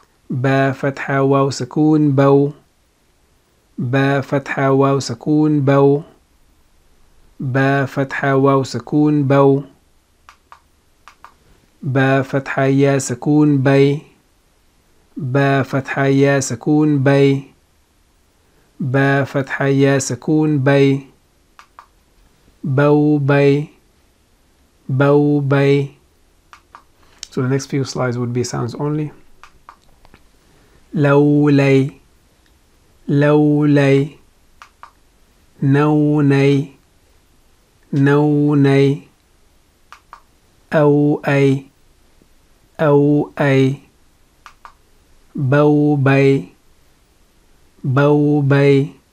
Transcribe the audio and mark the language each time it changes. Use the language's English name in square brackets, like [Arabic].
[Arabic] با فتحة واو سكون بو با فتحة واو سكون بو با فتحة واو سكون بو با فتحة يا سكون بي با فتحة يا سكون بي با فتحة يا سكون بي بو بي بو بي. [English] So the next few slides would be sounds only. [Arabic] لو لي لو لي نو ني نو ني أو أي أو أي بو بي بو بي.